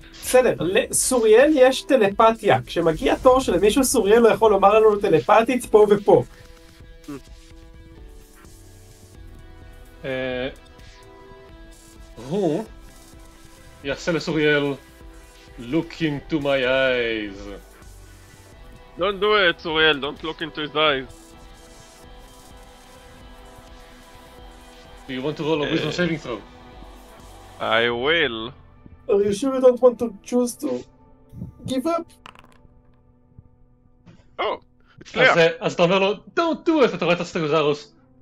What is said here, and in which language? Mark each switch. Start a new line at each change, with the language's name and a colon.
Hebrew: בסדר, לסוריאל יש טלפתיה, כשמגיע תור של מישהו סוריאל לא יכול לומר לנו טלפתית פה ופה. הוא יעשה לסוריאל
English: look into my eyes. Don't do it, סוריאל, don't look into his eyes. Do you want to roll a wisdom saving throw? I will. Are you sure you don't want to choose to give up? Oh,
Hebrew: אז אתה אומר לו,
English: don't do it,
Hebrew: אתה רואה את הסטגוזרוס.